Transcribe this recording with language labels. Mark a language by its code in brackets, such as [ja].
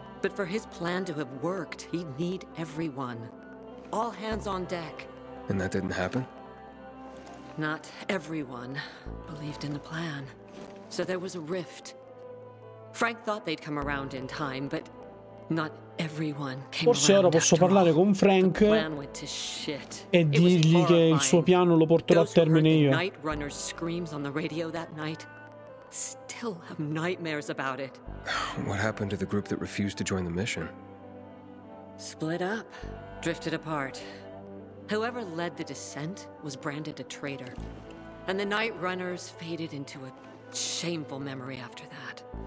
[en] But for his plan to have worked, he'd need everyone. All hands on deck. And that didn't happen? Not everyone believed in the plan. So there was a rift. Frank thought they'd come around in time, but not everyone came around. [it] Forse ora posso parlare con Frank e dirgli che il suo piano lo porterò a termine io. [en] Night runner screams on the radio that night. Still have nightmares about it. What happened to the group that refused to join the mission? Split up, drifted apart. Whoever led the descent was branded a traitor, and the night runners faded into a shameful memory after that.